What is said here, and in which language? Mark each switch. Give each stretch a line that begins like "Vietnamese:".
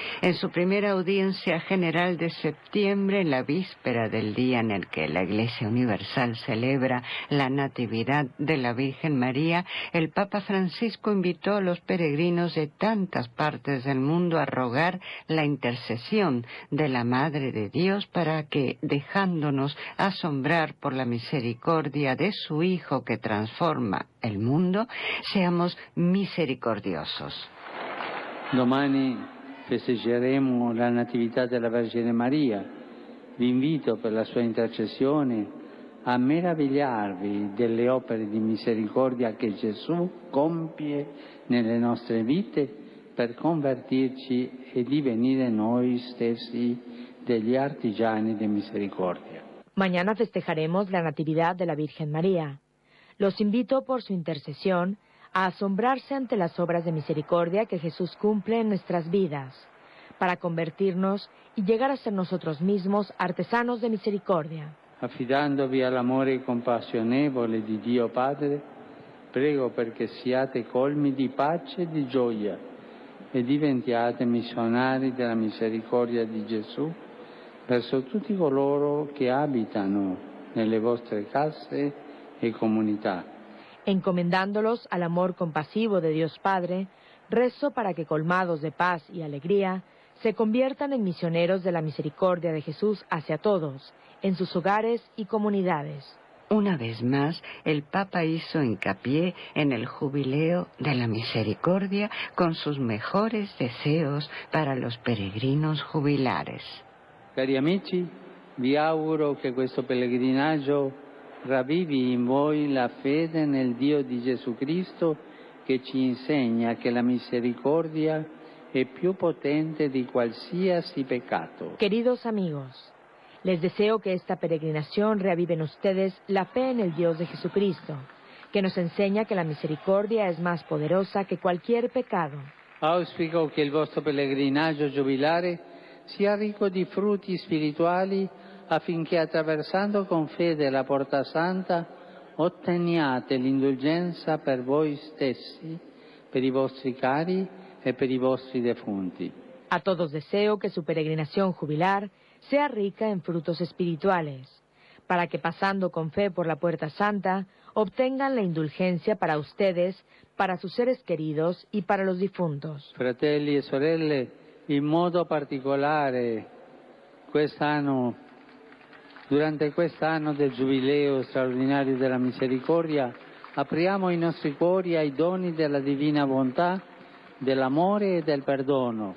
Spanish: En su primera audiencia general de septiembre, la víspera del día en el que la Iglesia Universal celebra la Natividad de la Virgen María, el Papa Francisco invitó a los peregrinos de tantas partes del mundo a rogar la intercesión de la Madre de Dios para que, dejándonos asombrar por la misericordia de su Hijo que transforma el mundo, seamos misericordiosos.
Italian: Domani festeggeremo la Natività della Vergine Maria. Vi invito per la sua intercessione a meravigliarvi delle opere di misericordia che Gesù compie nelle nostre vite per convertirci e divenire noi stessi degli artigiani di misericordia.
Spanish: Mañana festejaremos la Natividad de la Virgen María. Los invito por su intercesión a asombrarse ante las obras de misericordia que Jesús cumple en nuestras vidas, para convertirnos y llegar a ser nosotros mismos artesanos de misericordia.
Italian: Affidandovi all'amore compassionevole di Dio Padre, prego perché siate colmi di pace e di gioia e diventiate missionari della misericordia di Gesù verso tutti coloro che abitano nelle vostre case e comunità.
Spanish: Encomendándolos al amor compasivo de Dios Padre, rezo para que colmados de paz y alegría, se conviertan en misioneros de la misericordia de Jesús hacia todos, en sus hogares y comunidades. Una vez más, el Papa hizo hincapié en el jubileo de la misericordia con sus mejores deseos para los peregrinos jubilares.
Italian: Cari amici, vi auguro che questo pellegrinaggio ravvivi in voi la fede nel Dio di Gesù Cristo che ci insegna che la misericordia è più potente di qualsiasi peccato.
Spanish: Queridos amigos, les deseo que esta peregrinación reavive en ustedes la fe en el Dios de Jesucristo, que nos enseña que la misericordia es más poderosa que cualquier pecado.
Italian: Auspico que el vuestro peregrinaggio jubilare sia ricco di frutti spirituali affinché attraversando con fede la porta santa otteniate l'indulgenza per voi stessi, per i vostri cari e per i vostri defunti.
Spanish: A todos deseo que su peregrinación jubilar sea rica en frutos espirituales, para que pasando con fe por la puerta santa obtengan la indulgencia para ustedes, para sus seres queridos y para los difuntos.
Italian: Fratelli e sorelle, in modo particolare quest'anno, durante quest'anno del giubileo straordinario della misericordia, apriamo i nostri cuori ai doni della divina bontà, dell'amore e del perdono.